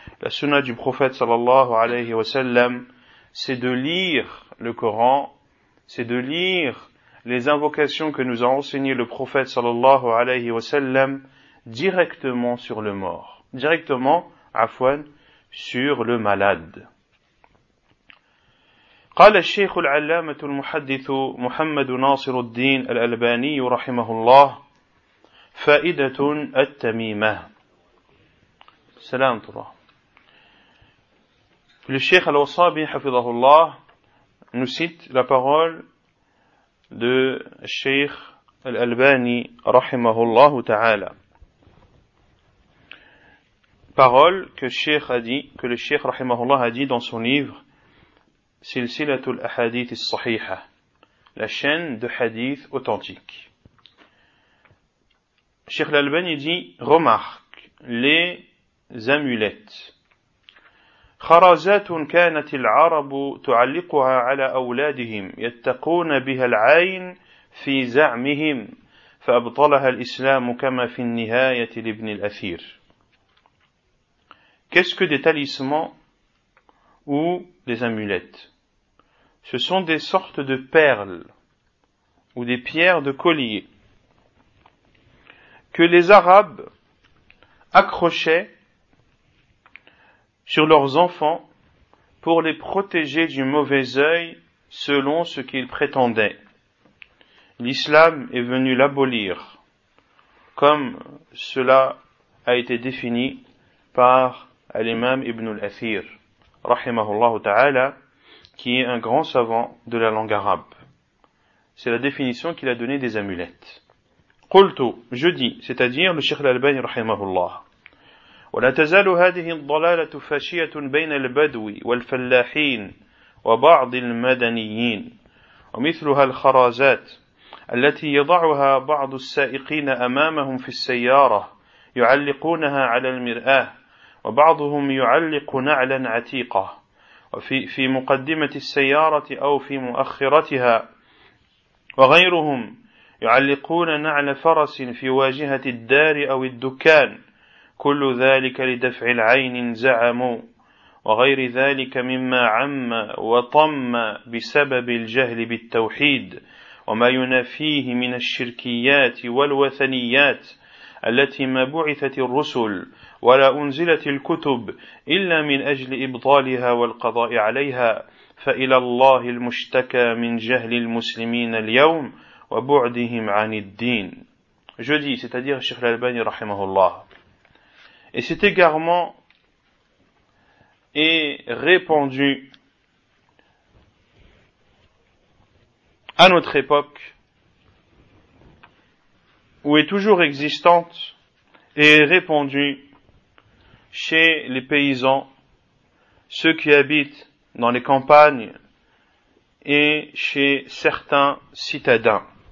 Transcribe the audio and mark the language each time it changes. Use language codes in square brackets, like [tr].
[fr] la sunna du prophète [ar] sallallahu alayhi wa sallam, [fr] c'est de lire le Coran, c'est de lire les invocations que nous a enseignées le prophète sallallahu alayhi wa sallam directement sur le mort, directement, afwan, sur le malade. [ar] قال الشيخ العلامة المحدث محمد ناصر الدين الألباني رحمه الله فائدة التميمة سلام الله. [fr] Le Cheikh Al-Wasabi [ar] حفظه الله [fr] nous cite la parole de Cheikh Al-Albani [ar] رحمه الله تعالى. [fr] Parole que Cheikh a dit, que le Cheikh [ar] رحمه الله [fr] a dit dans son livre سلسلة الأحاديث الصحيحة La chaîne de hadith authentique. Cheikh l'Albani dit Remarque les amulettes. [ar] خرازات كانت العرب تعلقها على أولادهم يتقون بها العين في زعمهم فأبطلها الإسلام كما في النهاية لابن الأثير. [fr] Qu'est-ce que des talismans ou des amulettes? Ce sont des sortes de perles ou des pierres de collier que les Arabes accrochaient sur leurs enfants pour les protéger du mauvais œil selon ce qu'ils prétendaient. L'islam est venu l'abolir, comme cela a été défini par l'imam Ibn al-Athir, [ar] rahimahullah ta'ala, [fr] qui est un grand savant de la langue arabe. C'est la définition qu'il a donnée des amulettes. [ar] قلت, [fr] je dis, c'est-à-dire le Cheikh l'Albani [ar] رحمه الله. ولا تزال هذه الضلالة فاشية بين البدوي والفلاحين وبعض المدنيين ومثلها الخرازات التي يضعها بعض السائقين أمامهم في السيارة يعلقونها على المرآة وبعضهم يعلق نعلا عتيقة في مقدمة السيارة أو في مؤخرتها وغيرهم يعلقون نعل فرس في واجهة الدار أو الدكان كل ذلك لدفع العين زعموا وغير ذلك مما عم وطم بسبب الجهل بالتوحيد وما ينافيه من الشركيات والوثنيات التي ما بعثت الرسل ولا أنزلت الكتب إلا من أجل إبطالها والقضاء عليها فإلى الله المشتكى من جهل المسلمين اليوم وبعدهم عن الدين جدي [fr] c'est-à-dire [ar] الشيخ الألباني رحمه الله. [fr] Et cet égarement est répandu à notre époque où est toujours existante et est répandue chez les paysans, ceux qui habitent dans les campagnes et chez certains citadins.